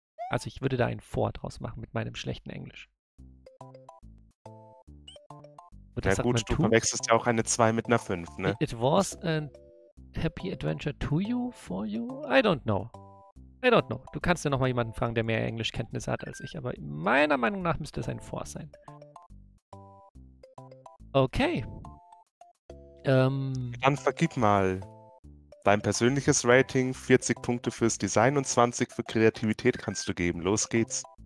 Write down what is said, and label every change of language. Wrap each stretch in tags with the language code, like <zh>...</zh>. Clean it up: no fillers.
<de>Also ich würde da ein Vor draus machen mit meinem schlechten Englisch. Na ja, gut, du verwechselst ja auch eine 2 mit einer 5, ne?</de> <en>It was a happy adventure to you, for you? I don't know.</en> <de>Du kannst ja nochmal jemanden fragen, der mehr Englischkenntnisse hat als ich, aber meiner Meinung nach müsste es ein Vor sein. Okay. Dann vergib mal. Dein persönliches Rating, 40 Punkte fürs Design und 20 für Kreativität kannst du geben. Los geht's.</de>